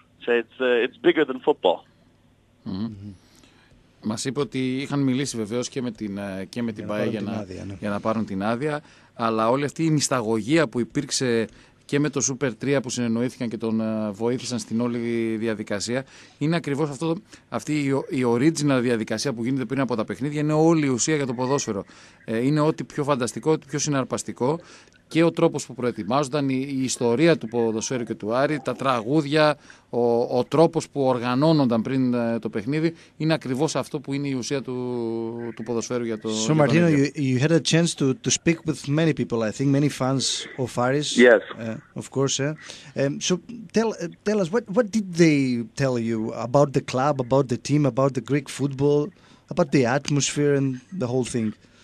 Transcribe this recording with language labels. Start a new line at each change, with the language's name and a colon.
English: So it's bigger than football.
Greek: Μας είπε ότι είχαν μιλήσει βεβαίως και με την ΠΑΕ για να πάρουν την άδεια, αλλά όλη αυτή η μυσταγωγία που υπήρξε και με το Super 3 που συνεννοήθηκαν και τον βοήθησαν στην όλη διαδικασία, είναι ακριβώς αυτή η original διαδικασία που γίνεται πριν από τα παιχνίδια, είναι όλη η ουσία για το ποδόσφαιρο. Είναι ό,τι πιο φανταστικό, ό,τι πιο συναρπαστικό, και ο τρόπος που προετοιμάζονταν, η ιστορία του ποδοσφαίρου και του Άρη, τα τραγούδια, ο τρόπος που οργανώνονταν πριν το παιχνίδι, είναι ακριβώς αυτό που είναι η ουσία του ποδοσφαίρου για το.
English: So Martino, you had a chance to speak with many people, I think many fans of Aris. Yes. Of course. So tell us what did they tell you about the club, about the team, about the Greek football, about the atmosphere and the whole thing.